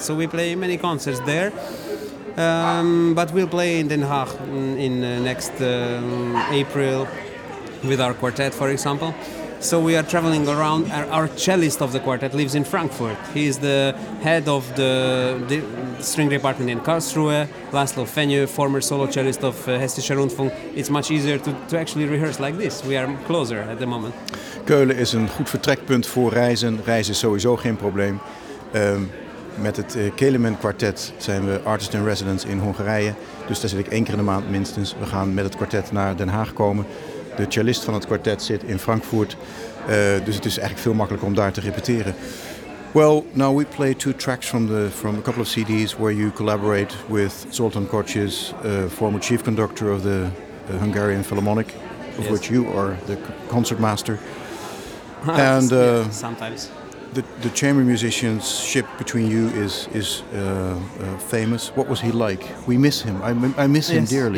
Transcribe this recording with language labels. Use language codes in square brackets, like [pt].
[en] So we play many concerts there. But we'll play in Den Haag in next April with our quartet, for example. So we are traveling around. Our cellist of the quartet lives in Frankfurt. He is the head of the string department in Karlsruhe. Laszlo Fenyő, former solo cellist of Hessischer Rundfunk. It's much easier to actually rehearse like this. We are closer at the moment. [nl] Keulen is een goed vertrekpunt voor reizen. Reizen is sowieso geen probleem. Met het Kelemen kwartet zijn we artist in residence in Hongarije. Dus daar zit ik 1 keer in de maand minstens. We gaan met het kwartet naar Den Haag komen. De cellist van het kwartet zit in Frankfurt, dus het is eigenlijk veel makkelijker om daar te repeteren. [en] Well, now we play 2 tracks from a couple of CDs where you collaborate with Zoltán Kocsis, former chief conductor of the Hungarian Philharmonic, of yes. which you are the concertmaster. And yeah, sometimes the chamber musicianship between you is famous. What was he like? We miss him. I miss him dearly.